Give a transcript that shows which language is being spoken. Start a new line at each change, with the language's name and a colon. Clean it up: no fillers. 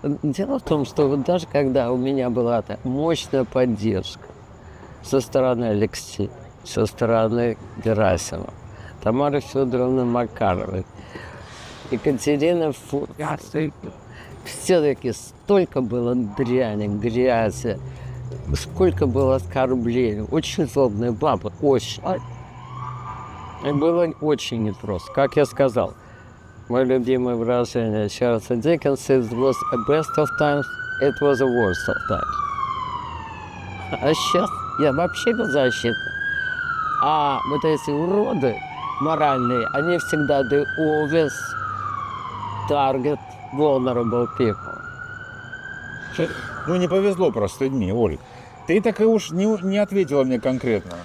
Russian: Дело в том, что вот даже когда у меня была мощная поддержка со стороны Алексея, со стороны Герасимова, Тамары Федоровны Макаровой, Екатерина Фурсенко. Все-таки столько было дряни, грязи, сколько было оскорблений. Очень злобная баба, очень. И было очень непросто. Как я сказал, мое любимое выражение Чарльза Диккенса,
English: it was the best of times,
Russian: it was the worst of times. А сейчас я вообще без защиты. А вот эти уроды моральные, они всегда
English: the always Target vulnerable people.
Russian: Ну, не повезло просто с людьми, Оль. Ты так и уж не ответила мне конкретно.